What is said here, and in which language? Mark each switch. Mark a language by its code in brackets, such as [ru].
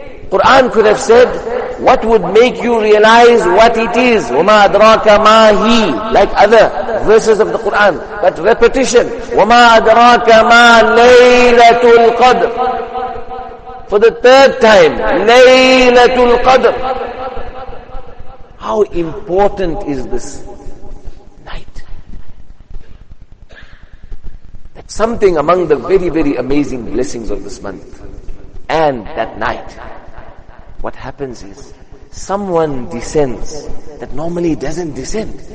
[en] Quran could have said, what would make you realize what it is? [ar] وَمَا أَدْرَاكَ مَا هِي, [en] like other verses of the Quran. But repetition. [ar] وَمَا أَدْرَاكَ مَا لَيْلَةُ الْقَدْرِ, [en] for the third time. [ar] لَيْلَةُ الْقَدْرِ. [en] How important is this night? That's something among the very, very amazing blessings of this month. And that night, what happens is, someone descends that normally doesn't descend.